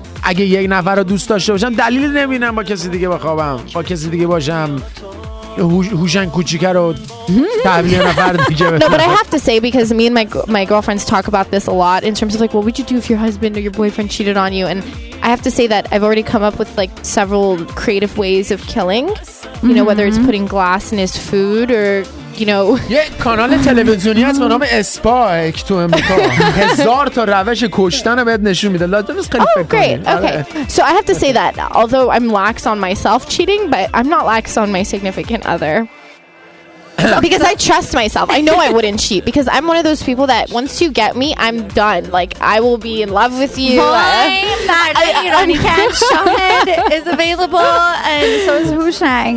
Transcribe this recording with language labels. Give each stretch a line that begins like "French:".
Persian: اگه یک نفر رو دوست داشته باشم دلیل نمیبینم با کسی دیگه بخوابم، با کسی دیگه باشم هوشنگ کوچیک رو تعبیه نفر دیگه بخوابم.
English: No, but I have to say, because me and my girlfriends talk about this a lot in terms of like, what would you do if your husband or your boyfriend cheated on you? And I have to say that I've already come up with like several creative ways of killing, you know, whether it's putting glass in his food or, you know.
Persian: یک کانال تلویزیونی هست به نام اسپایک تو امریکا. هزار تا روش کشتن رو بهت نشون میده. لازم نیست خیلی فکر کنی.
English: Oh, great. Okay. So I have to say that although I'm lax on myself cheating, but I'm not lax on my significant other. Because I trust myself. I know I wouldn't cheat because I'm one of those people that once you get me, I'm done. Like, I will be in love with you. Shahid is available and so is Hushang.